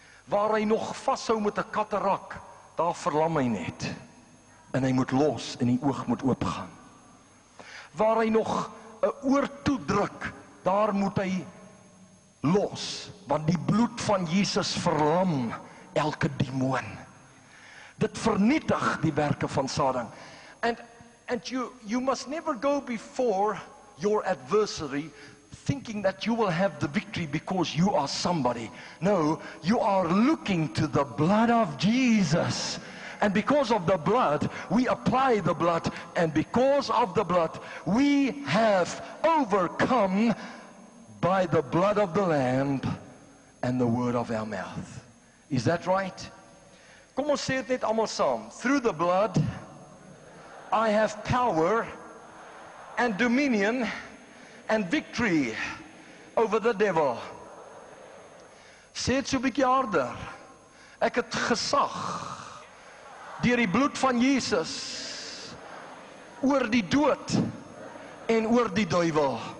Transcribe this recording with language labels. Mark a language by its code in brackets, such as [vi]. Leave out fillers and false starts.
[af] Waar hy nog vashou met 'n katarak, daar verlam hy net. En hy moet los en die oog moet oopgaan. Waar hy nog 'n oor toedruk, daar moet hy los, want die bloed van Jesus verlam elke demoon. Dit vernietig die werke van Satan. [en] And you must never go before your adversary thinking that you will have the victory because you are somebody. No, you are looking to the blood of Jesus. And because of the blood, we apply the blood. And because of the blood, we have overcome by the blood of the Lamb and the word of our mouth. Is that right? [af] Kom ons sê dit net almal saam. [en] Through the blood, I have power and dominion and victory over the devil. [af] Sê dit so 'n bietjie harder. Ek het gesag deur die bloed van Jesus oor die dood en oor die duiwel.